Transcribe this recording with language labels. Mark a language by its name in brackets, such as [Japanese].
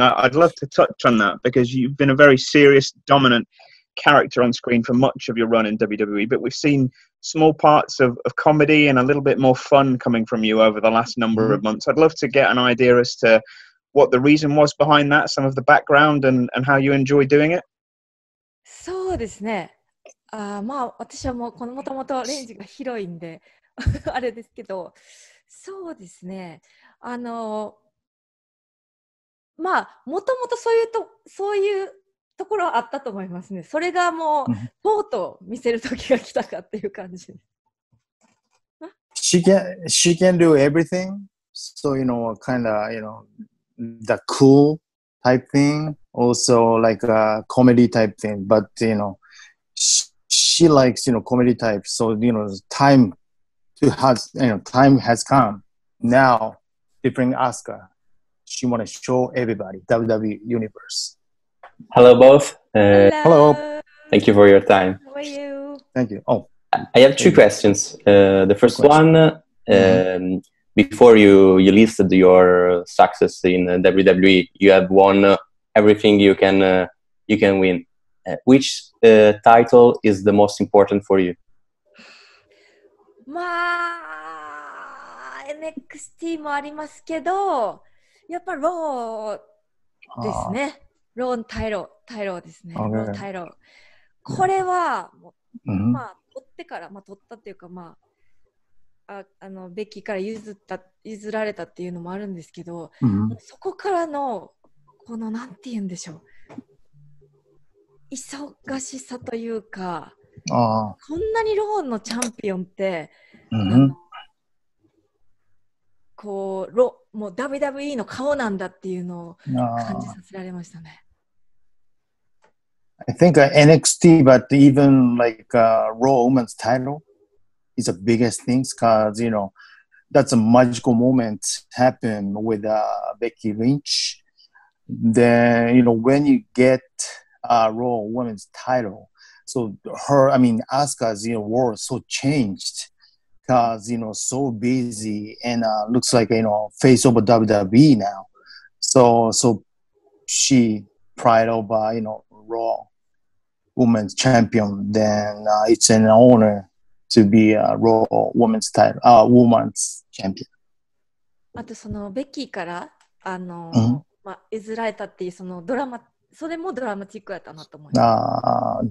[English] I'd love to touch on that because you've been a very serious, dominant character on screen for much of your run in WWE, but we've seen... small parts of comedy and a little bit more fun coming from you over the last number of months. I'd love to get an idea as to what the reason was behind that, some of the background and how you enjoy doing it. [Japanese] そうですね。まあ私はもうこのもともとレンジが広いんで、あれですけど、そうですね。まあもともとそういうところはあったと思いますね。それがもう、とうとう見せる時が来たかっていう感じ。 [English] She can do everything. So, you know, kind of, you know, the cool type thing. Also, like a comedy type thing. But, you know, she likes, you know, comedy type. So, you know, time has come. Now, different Asuka. she wants to show everybody, WWE Universe. Hello, both. Hello. Thank you for your time. How are you? Thank you. Oh, I have two questions. The first one, before you listed your success in WWE, you have won everything you can win. Which title is the most important for you? [Japanese] まあ、NXT もありますけど、やっぱローですね。ローのタイロー、タイローですね。ローのタイロー。これは、まあ、取ってから、まあ、取ったっていうか、まあ、あの、ベッキーから譲られたっていうのもあるんですけど、そこからの、この、なんて言うんでしょう。忙しさというか、こんなにローンのチャンピオンって、こう、もう WWE の顔なんだっていうのを感じさせられましたね。 [English] I think NXT, but even like Raw Women's title is the biggest thing because, you know, that's a magical moment happened with Becky Lynch. Then, you know, when you get Raw Women's title, so her, I mean, Asuka's, you know, world so changed because, you know, so busy and looks like, you know, face over WWE now. So she pride over, you know, Raw Women's champion, then it's an honor to be a Raw Women's title, Woman's champion. [Japanese] あとそのベッキーからまあ譲られたっていうそのドラマ、それもドラマチックだったなと思います。